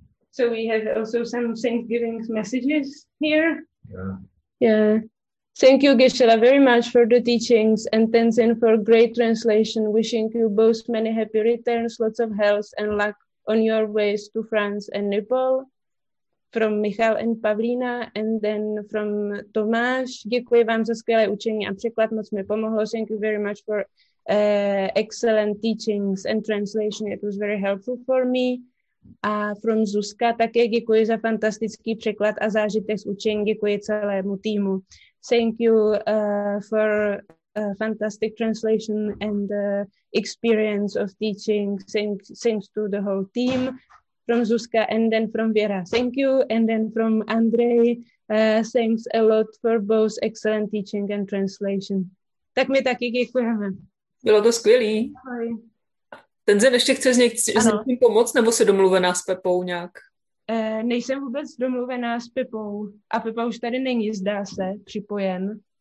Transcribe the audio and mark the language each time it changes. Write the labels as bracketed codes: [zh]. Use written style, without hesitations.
[en] So we have also some Thanksgiving messages here. Yeah. Thank you, Geshe-la, very much for the teachings, and Tenzin for great translation. Wishing you both many happy returns, lots of health and luck on your ways to France and Nepal. From Michal and Pavlína, and then from Tomáš. [cs] Děkuji vám za skvělé učení a překlad, moc mi pomohlo. [en] Thank you very much for excellent teachings and translation. It was very helpful for me. [cs] A from Zuzka také děkuji za fantastický překlad a zážitek z učení. Děkuji celému týmu. [en] Thank you for a fantastic translation and experience of teaching. Thanks to the whole team. From Zuzka and then from Vera. Thank you. And then from Andrej. Thanks a lot for both excellent teaching and translation. [cs] Tak mi taky děkujeme. Bylo to skvělý. Ahoj. Tenzin ještě chce z někým pomoct, nebo se domluvená s Pepou nějak? Nejsem vůbec domluvená s Pepou. A Pepa už tady není, zdá se, připojen.